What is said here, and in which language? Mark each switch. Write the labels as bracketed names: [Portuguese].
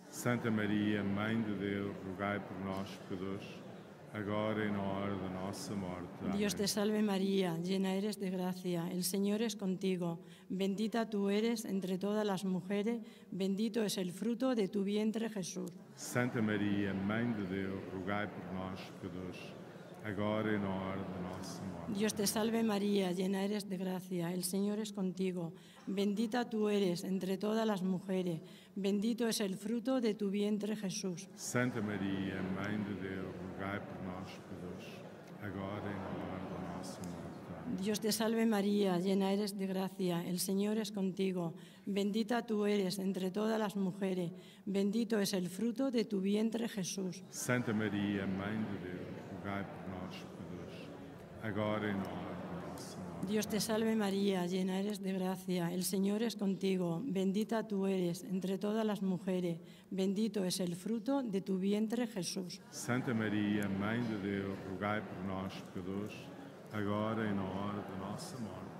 [Portuguese] Santa María, Mãe de Deus, rogai por nós, pecadores, agora e na hora da nossa morte. Amém. [Spanish] Dios te salve María, llena eres de gracia, el Señor es contigo, bendita tú eres entre todas las mujeres, bendito es el fruto de tu vientre Jesús. [Portuguese] Santa María, Mãe de Deus, rogai por nós pecadores, agora e na hora da nossa morte. [Spanish] Dios te salve María, llena eres de gracia, el Señor es contigo, bendita tú eres entre todas las mujeres, bendito es el fruto de tu vientre Jesús. [Portuguese] Santa María, Mãe de Deus, rogai por nós pecadores, agora e na hora da nossa morte. [Spanish] Dios te salve María, llena eres de gracia, el Señor es contigo, bendita tú eres entre todas las mujeres, bendito es el fruto de tu vientre Jesús. [Portuguese] Santa María, Mãe de Deus, rogai por nós pecadores, agora e na hora da nossa morte. [Spanish] Dios te salve María, llena eres de gracia, el Señor es contigo, bendita tú eres entre todas las mujeres, bendito es el fruto de tu vientre Jesús. [Portuguese] Santa María, Mãe de Deus, rogai por nós pecadores, agora e na hora da nossa morte.